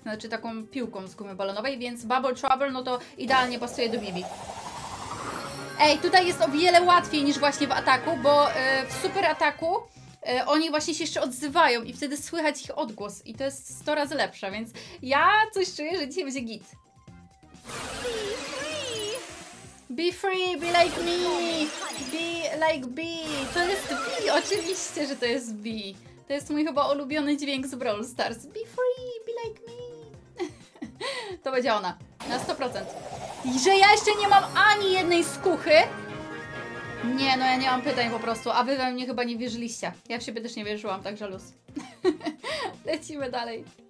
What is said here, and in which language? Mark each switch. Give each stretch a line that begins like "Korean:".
Polish: Znaczy taką piłką z gumy balonowej, więc Bubble Trouble, no to idealnie pasuje do Bibi. Ej, tutaj jest o wiele łatwiej niż właśnie w ataku, bo w super ataku oni właśnie się jeszcze odzywają i wtedy słychać ich odgłos i to jest 100 razy lepsze, więc ja coś czuję, że dzisiaj będzie git.
English: Be free, be like me, be like B.
Polish: To jest B, oczywiście, że to jest B. To jest mój chyba ulubiony dźwięk z Brawl Stars.
English: Be free, be like me.
Polish: To będzie ona, na 100%. I że ja jeszcze nie mam ani jednej skuchy? Nie, no ja nie mam pytań po prostu, a wy we mnie chyba nie wierzyliście. Ja w siebie też nie wierzyłam, także luz. Lecimy dalej.